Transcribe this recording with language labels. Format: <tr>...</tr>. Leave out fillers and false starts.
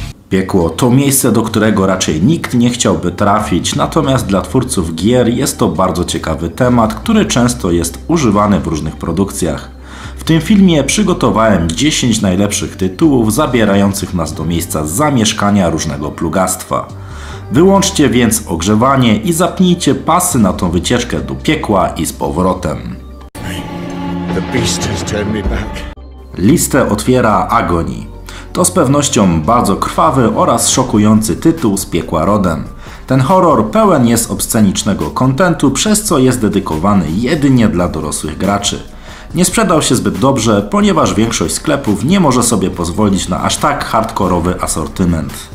<pl>Piekło to miejsce, do którego raczej nikt nie chciałby trafić, natomiast dla twórców gier jest to bardzo ciekawy temat, który często jest używany w różnych produkcjach. W tym filmie przygotowałem 10 najlepszych tytułów zabierających nas do miejsca zamieszkania różnego plugastwa. Wyłączcie więc ogrzewanie i zapnijcie pasy na tą wycieczkę do piekła i z powrotem.</pl> <en>The beast has turned me back.</en> <pl>Listę otwiera Agony. To z pewnością bardzo krwawy oraz szokujący tytuł z piekła rodem. Ten horror pełen jest obscenicznego kontentu, przez co jest dedykowany jedynie dla dorosłych graczy. Nie sprzedał się zbyt dobrze, ponieważ większość sklepów nie może sobie pozwolić na aż tak hardkorowy asortyment.</pl>